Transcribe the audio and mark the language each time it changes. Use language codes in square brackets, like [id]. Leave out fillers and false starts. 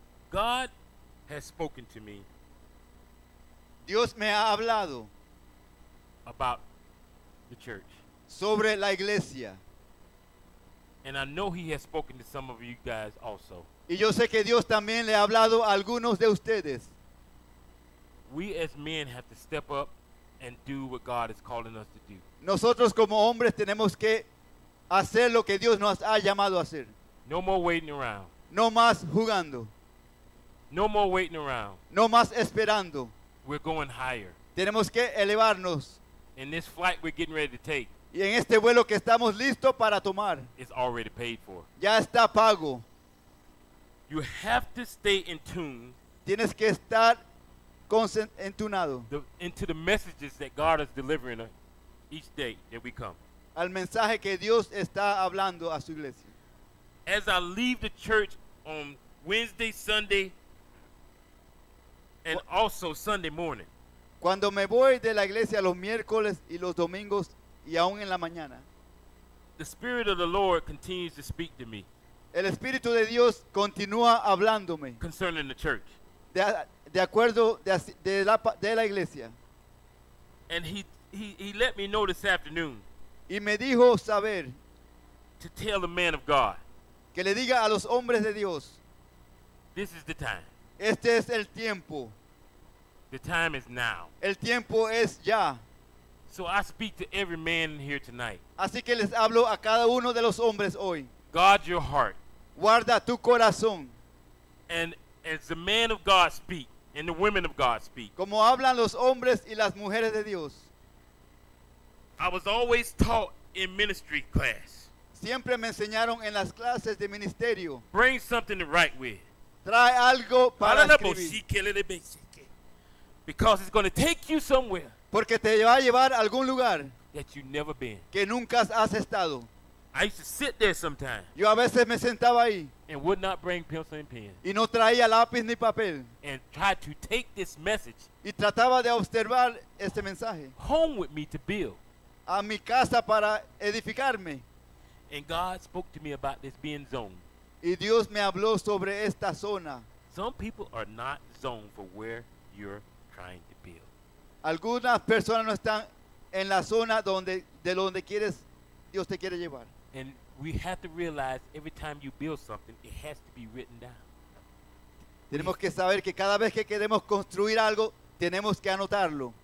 [en] God has spoken to me. [es] Dios me ha hablado. [en] About the church. [es] Sobre la iglesia. [en] And I know he has spoken to some of you guys also. [es] Y yo sé que Dios también le ha hablado a algunos de ustedes. [en] We as men have to step up and do what God is calling us to do. [es] Nosotros como hombres tenemos que hacer lo que Dios nos ha llamado a hacer. [en] No more waiting around. [es] No más jugando. [en] No more waiting around. [es] No más esperando. [en] We're going higher. [es] Tenemos que elevarnos. [en] In this flight we're getting ready to take. [es] Y en este vuelo que estamos listos para tomar, [en] it's already paid for. [es] Ya está pago. [en] You have to stay in tune. [es] Tienes que estar entunado. [en] Into the messages that God is delivering each day that we come. [es] Al mensaje que Dios está hablando a su iglesia. [en] As I leave the church on Wednesday, Sunday, and also Sunday morning. [es] Cuando me voy de la iglesia los miércoles y los domingos y aún en la mañana. [en] The Spirit of the Lord continues to speak to me. [es] El Espíritu de Dios continúa hablándome. [en] Concerning the church. [es] De acuerdo de la iglesia. [en] And he let me know this afternoon. [es] Y me dijo saber. [en] To tell the man of God. [es] Que le diga a los hombres de Dios. [en] This is the time. [es] Este es el tiempo. [en] The time is now. [es] El tiempo es ya. [en] So I speak to every man here tonight. [es] Así que les hablo a cada uno de los hombres hoy. [en] Guard your heart. [es] Guarda tu corazón. [en] And as the man of God speak and the women of God speak. [es] Como hablan los hombres y las mujeres de Dios. [en] I was always taught in ministry class. [es] Siempre me enseñaron en las clases de ministerio. [en] Bring something to write with. [es] Trae algo para escribir. [en] Because it's going to take you somewhere. [es] Porque te va a llevar a algún lugar. [en] That you've never been. [es] Que nunca has estado. [en] I used to sit there sometimes. [es] Yo a veces me sentaba ahí. [en] And would not bring pencil and pen. [es] Y no traía lápiz ni papel. [en] And tried to take this message. [es] Y trataba de observar este mensaje. [en] Home with me to build. [es] A mi casa para edificarme. [en] And God spoke to me about this being zoned. [es] Y Dios me habló sobre esta zona. [en] Some people are not zoned for where you're trying to build. [es] Algunas personas no están en la zona donde quieres Dios te quiere llevar. [en] And we have to realize every time you build something, it has to be written down. [es] Tenemos que saber que cada vez que queremos construir algo, tenemos que anotarlo.